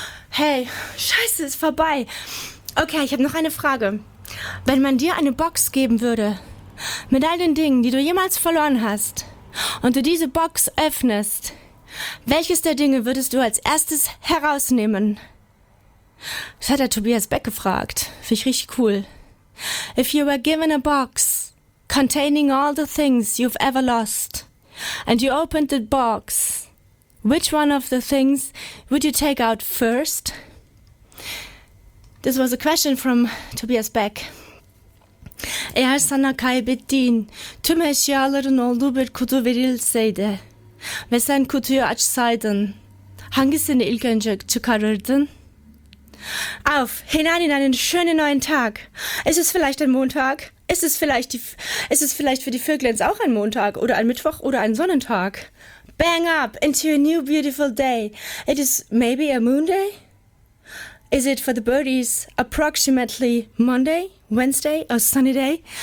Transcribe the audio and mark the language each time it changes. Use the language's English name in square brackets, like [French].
[German] Hey, scheiße, ist vorbei. Okay, ich habe noch eine Frage. Wenn man dir eine Box geben würde, mit all den Dingen, die du jemals verloren hast, und du diese Box öffnest, welches der Dinge würdest du als erstes herausnehmen? Das hat der Tobias Beck gefragt. Finde ich richtig cool. [English] If you were given a box containing all the things you've ever lost, and you opened the box, which one of the things would you take out first? This was a question from Tobias Beck. [Turkish] Eğer sana kaybettiğin tüm eşyaların olduğu bir kutu verilseydi ve sen kutuyu açsaydın, hangisini ilk önce çıkarırdın? [German] Auf, hinein in einen schönen neuen Tag. Ist es vielleicht ein Montag? Ist es vielleicht für die Vöglein auch ein Montag oder ein Mittwoch oder ein Sonnentag? [English] Bang up into a new beautiful day. It is maybe a moon day? Is it for the birdies approximately Monday, Wednesday or sunny day?